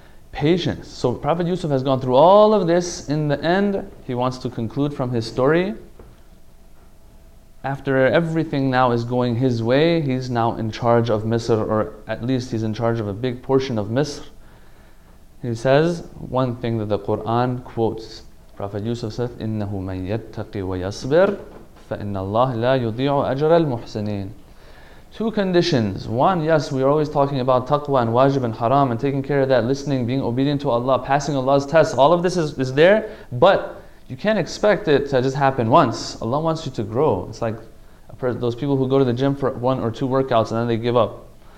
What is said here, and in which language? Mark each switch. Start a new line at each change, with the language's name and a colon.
English: Patience. So Prophet Yusuf has gone through all of this. In the end, he wants to conclude from his story. After everything now is going his way, he's now in charge of Misr, or at least he's in charge of a big portion of Misr. He says one thing that the Quran quotes. Prophet Yusuf says,
Arabic: إِنَّهُ مَنْ يَتَّقِي وَيَصْبِرْ فَإِنَّ اللَّهِ لَا يُضِيعُ أَجْرَ الْمُحْسِنِينَ.
English: Two conditions. One, yes, we're always talking about taqwa and wajib and haram and taking care of that, listening, being obedient to Allah, passing Allah's tests. All of this is there, but you can't expect it to just happen once. Allah wants you to grow. It's like those people who go to the gym for one or two workouts and then they give up.